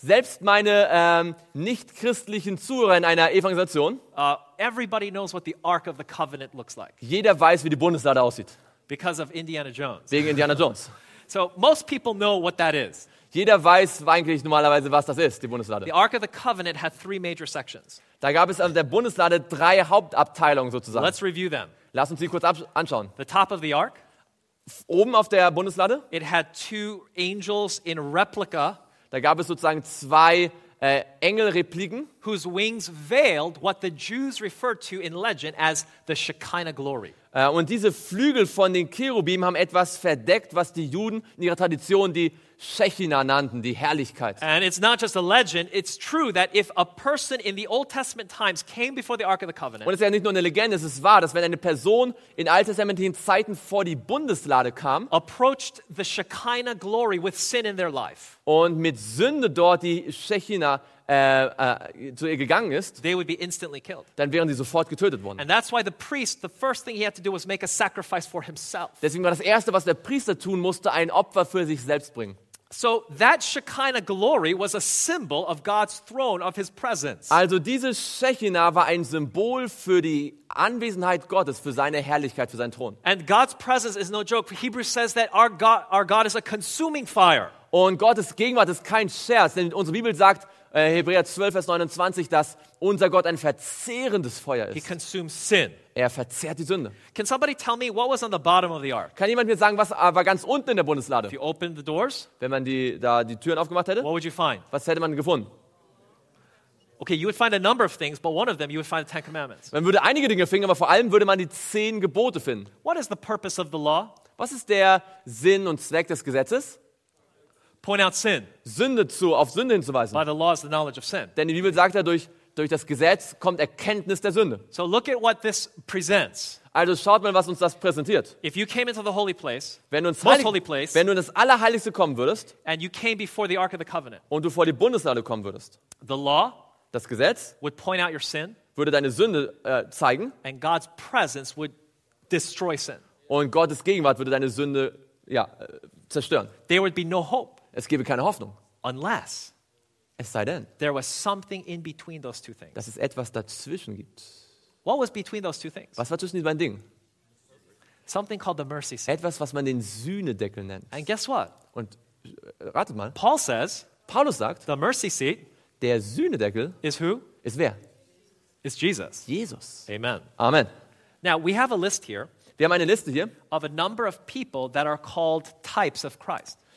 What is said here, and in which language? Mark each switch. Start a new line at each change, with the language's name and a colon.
German: selbst meine nicht-christlichen Zuhörer in einer Evangelisation,
English: everybody knows what the Ark of the Covenant looks like.
German: Jeder weiß, wie die Bundeslade aussieht.
English: Because of Indiana Jones.
German: Wegen Indiana Jones.
English: So most people know what that is.
German: Jeder weiß eigentlich normalerweise, was das ist, die Bundeslade.
English: The Ark of the Covenant had 3 major sections.
German: Da gab es an der Bundeslade 3 Hauptabteilungen sozusagen.
English: Let's review them.
German: Lass uns sie kurz anschauen.
English: The top of the Ark.
German: Oben auf der Bundeslade.
English: It had 2 angels in replica.
German: Da gab es sozusagen 2 Engelrepliken.
English: Whose wings veiled what the Jews referred to in legend as the Shekinah glory.
German: Und diese Flügel von den Cherubim haben etwas verdeckt, was die Juden in ihrer Tradition die Shechina nannten, die Herrlichkeit.
English: And it's not just a legend, it's true that if a person in the Old Testament times came before the Ark of the Covenant.
German: Und es ist ja nicht nur eine Legende, es ist wahr, dass wenn eine Person in alttestamentlichen Zeiten vor die Bundeslade kam,
English: approached the Shekinah glory with sin in their life.
German: Und mit Sünde dort die Shechina zu ihr gegangen ist,
English: they would be instantly killed.
German: Dann wären sie sofort getötet worden.
English: And that's why the priest, the first thing he had to do was make a sacrifice for himself.
German: Deswegen war das erste, was der Priester tun musste, ein Opfer für sich selbst bringen.
English: So that Shekinah glory was a symbol of God's throne, of his presence.
German: Also diese Shekinah war ein Symbol für die Anwesenheit Gottes, für seine Herrlichkeit, für seinen Thron.
English: And God's presence is no joke. Hebrews says that our God is a consuming fire.
German: Und Gottes Gegenwart ist kein Scherz, denn unsere Bibel sagt, Hebräer 12, Vers 29, dass unser Gott ein verzehrendes Feuer ist.
English: He consumes sin.
German: Er verzehrt die Sünde.
English: Can somebody tell me what was on the bottom of the ark?
German: Kann jemand mir sagen, was war ganz unten in der Bundeslade?
English: If you opened the doors,
German: wenn man die Türen aufgemacht hätte,
English: what would you find?
German: Was hätte man gefunden?
English: Okay, you would find a number of things, but one of them you would find the Ten Commandments.
German: Man würde einige Dinge finden, aber vor allem würde man die 10 Gebote finden.
English: What is the purpose of the law?
German: Was ist der Sinn und Zweck des Gesetzes?
English: Point out sin.
German: Sünde auf Sünde hinzuweisen.
English: By the law is the knowledge of sin.
German: Denn die Bibel sagt ja, durch das Gesetz kommt Erkenntnis der Sünde.
English: So look at what this presents.
German: Also schaut mal, was uns das präsentiert.
English: If you came into the holy place,
German: wenn du ins
English: holy place,
German: wenn du in das Allerheiligste kommen würdest,
English: and you came before the Ark of the Covenant,
German: und du vor die Bundeslade kommen würdest,
English: the law,
German: das Gesetz,
English: would point out your sin,
German: würde deine Sünde zeigen,
English: and God's presence would destroy sin.
German: Und Gottes Gegenwart würde deine Sünde zerstören.
English: There would be no hope.
German: Es gäbe keine Hoffnung.
English: Unless,
German: es sei denn,
English: there was something in between those two things.
German: Dass es etwas dazwischen gibt.
English: What was between those two things?
German: Was war zwischen diesen beiden Dingen?
English: Something called the mercy seat.
German: Etwas, was man den Sühnedeckel nennt.
English: And guess what?
German: Und ratet mal.
English: Paul says,
German: Paulus sagt,
English: the mercy seat,
German: der Sühnedeckel,
English: is who?
German: Ist wer?
English: Is Jesus.
German: Jesus.
English: Amen.
German: Amen.
English: Now we have a list here.
German: Wir haben eine Liste hier.
English: Of a number of people that are called types of Christ.